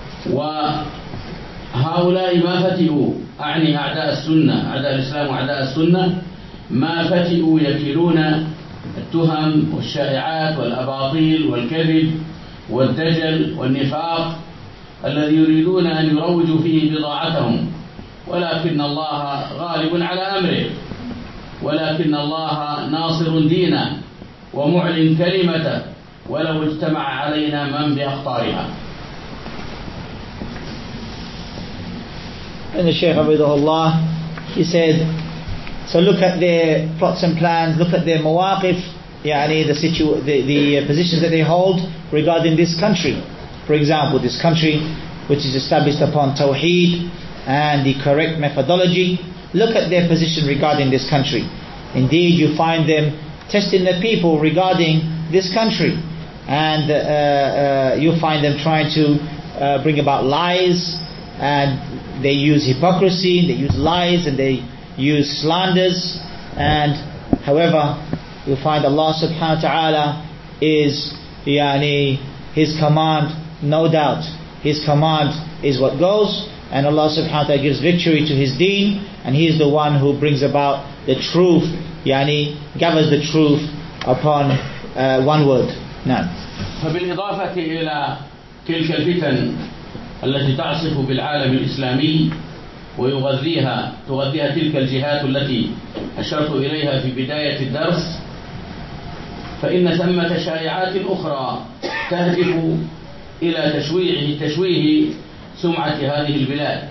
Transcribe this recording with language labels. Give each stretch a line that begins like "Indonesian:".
Arabic: وهؤلاء ما فتئوا، أعني أعداء السنة، أعداء الإسلام وأعداء السنة، ما فتئوا يكيلون التهم والشائعات والأباطيل والكذب والدجل والنفاق الذي يريدون أن يروجوا فيه بضاعتهم، ولكن الله غالب على أمره، ولكن الله ناصر دينه ومعلن كلمته ولو اجتمع علينا من بأخطارها.
English: And the Shaykh Abidullah, he said, so look at their plots and plans, look at their mawaqif, yani the positions that they hold regarding this country. For example, this country which is established upon Tawheed and the correct methodology. Look at their position regarding this country. Indeed, you find them testing the people regarding this country. And you find them trying to bring about lies, and they use hypocrisy, they use lies, and they use slanders. And however, you find Allah subhanahu wa ta'ala is yani his command, no doubt his command is what goes, and Allah subhanahu wa ta'ala gives victory to his deen, and he is the one who brings about the truth, yani gathers the truth upon one word. Now,
Arabic: فبالإضافة إلى تلك الفتن التي تعصف بالعالم الإسلامي ويغذيها تغذيها تلك الجهات التي أشرت إليها في بداية الدرس، فإن ثمة شائعات أخرى تهدف إلى تشويه سمعة هذه البلاد.